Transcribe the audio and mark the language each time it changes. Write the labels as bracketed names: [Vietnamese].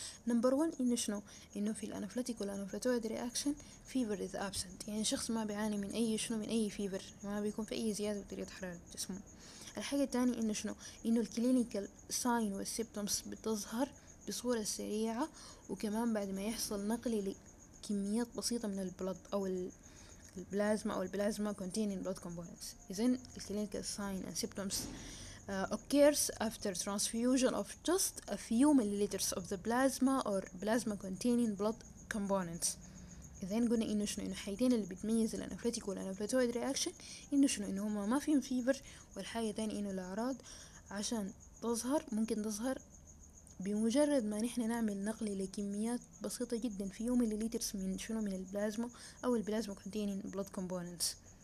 [Arabic] number one انه شنو انه في الـ anaphylactic والـ anaphylactoid reaction [English] fever is absent، [Arabic] يعني شخص ما بيعاني من اي شنو من اي fever، ما بيكون في اي زيادة بدرجة حرارة جسمه. الحاجة الثانية إنه شنو إنه الكلينيكال ساين والسيبتومز بتظهر بصورة سريعة، وكمان بعد ما يحصل نقل لكميات بسيطة من البلد أو البلازما أو البلازما كونتينين بلد كومبوننتس. إذن الكلينيكال ساين والسيبتومز [English] occurs after transfusion of just a few milliliters of the plasma or plasma containing blood components. [Arabic] إذن قلنا إنه شنو إنه حاجتين اللي بتميز الأنافلاتيك والأنافلاتويد رياكشن إنه شنو إنه هما ما فيهم فيبر، والحاجة تاني إنه الأعراض عشان تظهر ممكن تظهر بمجرد ما نحن نعمل نقل لكميات بسيطة جدا في يوم مليليترز من شنو من البلازما أو البلازما كونتينين بلود كومبوننتس.